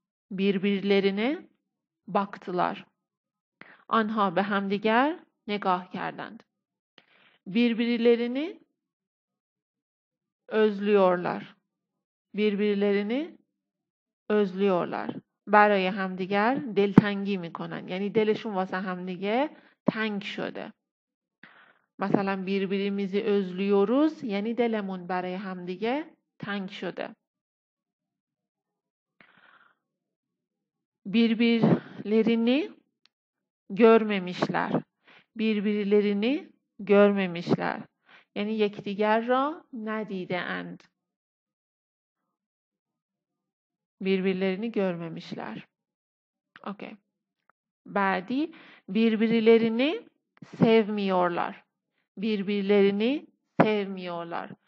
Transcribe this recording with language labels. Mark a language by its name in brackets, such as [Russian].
[Turkish] Birbirlerine baktılar. [Persian] Anha be hemdiger negah kerdend. [Turkish] Birbirlerini özlüyorlar. Birbirlerini özlüyorlar. [Persian] برای همدیگر دلتنگی میکنن. یعنی دلشون واسه همدیگه تنگ شده. مثلا [Turkish] birbirimizi özlüyoruz. [Persian] یعنی دلمون برای همدیگه تنگ شده. [Turkish] Birbirlerini görmemişler. Birbirlerini görmemişler. [Persian] یعنی یکدیگر را ندیده اند. [Turkish] Birbirlerini görmemişler. Okay. Bedi, birbirlerini sevmiyorlar. Birbirlerini sevmiyorlar.